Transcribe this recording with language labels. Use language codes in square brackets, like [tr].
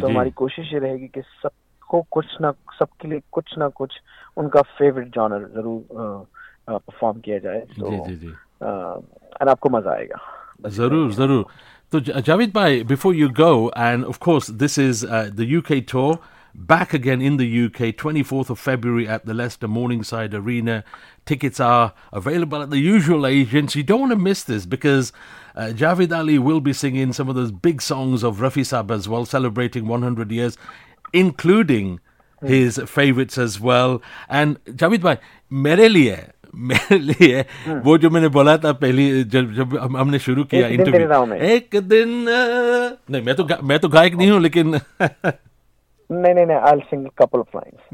[hi] तो हमारी कोशिश ये रहेगी कि सब को कुछ ना सबके लिए कुछ ना कुछ उनका फेवरेट जॉनर जरूर परफॉर्म किया जाए. जी जी जी और आपको मजा आएगा जरूर जरूर. [en] So, Javed Bhai, before you go, and of course, this is the UK tour, back again in the UK, 24th of February at the Leicester Morningside Arena. Tickets are available at the usual agents. You don't want to miss this because Javed Ali will be singing some of those big songs of Rafi Saab as well, celebrating 100 years, including his favourites as well. And Javed Bhai, [hi] mere liye, वो जो मैंने बोला था पहली जब हमने शुरू किया इंटरव्यू एक दिन नहीं मैं तो गायक नहीं हूँ लेकिन नहीं नहीं नहीं [en] I'll sing a couple of lines